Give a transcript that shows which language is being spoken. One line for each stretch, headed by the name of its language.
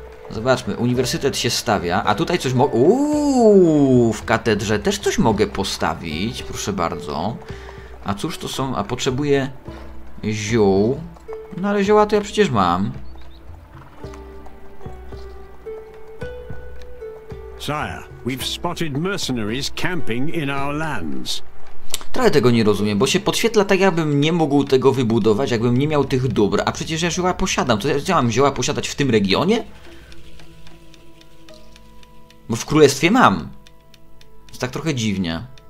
Polish: Zobaczmy, uniwersytet się stawia, a tutaj coś mogę... w katedrze też coś mogę postawić, proszę bardzo. A cóż to są? A potrzebuję ziół. No ale zioła to ja przecież mam.
English: Sire, we've spotted mercenaries camping in our lands.
Polish: Trochę tego nie rozumiem, bo się podświetla tak, jakbym nie mógł tego wybudować, jakbym nie miał tych dóbr. A przecież ja zioła posiadam, to ja mam zioła posiadać w tym regionie? Bo w królestwie mam. tak trochę dziwnie.